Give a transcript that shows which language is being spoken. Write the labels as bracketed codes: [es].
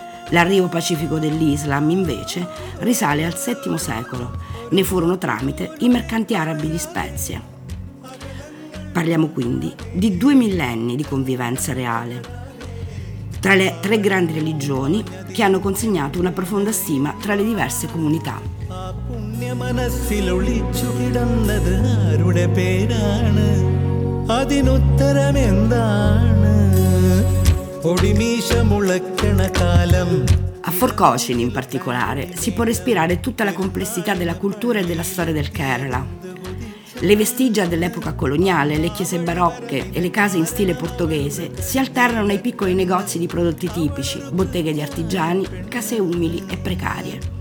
[it] L'arrivo pacifico dell'Islam, invece, risale al VII secolo. Ne furono tramite i mercanti arabi di spezie. Parliamo quindi di due millenni di convivenza reale tra le tre grandi religioni che hanno consegnato una profonda stima tra le diverse comunità. [ml] മനസ്സിലൊളിച്ചു കിടന്നത് ആരുടെ പേരാണ്, അതിനുത്തരമെന്താണ്? ഒടിമീശമുളക്കണ കാലം. [it] A Fort Cochin, in particolare, si può respirare tutta la complessità della cultura e della storia del Kerala. Le vestigia dell'epoca coloniale, le chiese barocche e le case in stile portoghese si alternano ai piccoli negozi di prodotti tipici, botteghe di artigiani, case umili e precarie.